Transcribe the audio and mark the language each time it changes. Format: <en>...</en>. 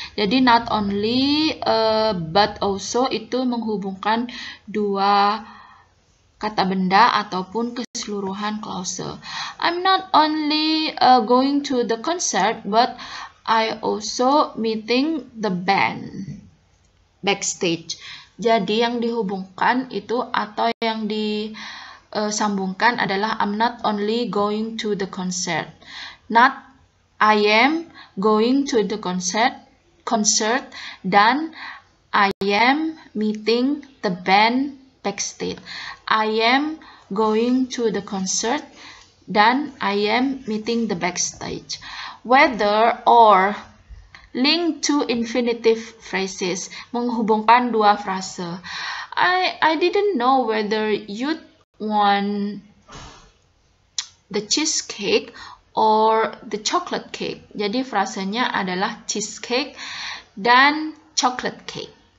<id>Jadi not only but also itu menghubungkan dua kata benda ataupun keseluruhan klause.</id> <en>I'm not only going to the concert, but I also meeting the band backstage.</en> <id>Jadi yang dihubungkan itu atau yang disambungkan adalah</id> <en>I'm not only going to the concert. Not I am going to the concert dan I am meeting the band backstage. I am going to the concert dan I am meeting the backstage. Whether or link to infinitive phrases,</en> <id>menghubungkan dua frase.</id> <en>I didn't know whether you'd want the cheesecake or the chocolate cake.</en> <id>Jadi frasenya adalah cheesecake dan chocolate cake.</id>